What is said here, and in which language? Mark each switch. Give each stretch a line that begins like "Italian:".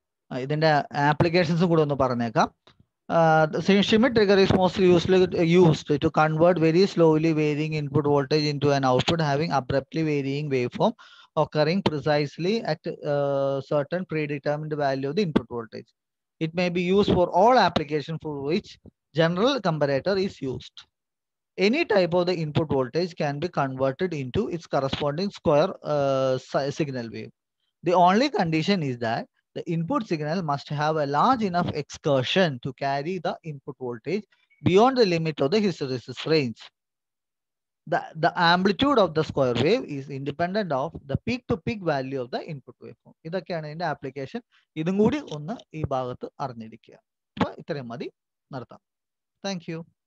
Malayalam: ഇതിൻ്റെ ആപ്ലിക്കേഷൻസും കൂടെ ഒന്ന് പറഞ്ഞേക്കാം.
English: Schmitt trigger is most used to convert very slowly varying input voltage into an output having abruptly varying waveform occurring precisely at certain predetermined value of the input voltage. it may be used for all application for which general comparator is used. Any type of the input voltage can be converted into its corresponding square signal wave. The only condition is that the input signal must have a large enough excursion to carry the input voltage beyond the limit of the hysteresis range. The amplitude of the square wave is independent of the peak to peak value of the input waveform.
Malayalam: ഇതൊക്കെയാണ് ഇതിന്റെ application. ഇതും കൂടി ഒന്ന് ഈ ഭാഗത്ത് അറിഞ്ഞിരിക്കുക. അപ്പോൾ ഇത്രയും മതി, നിർത്താം. Thank you.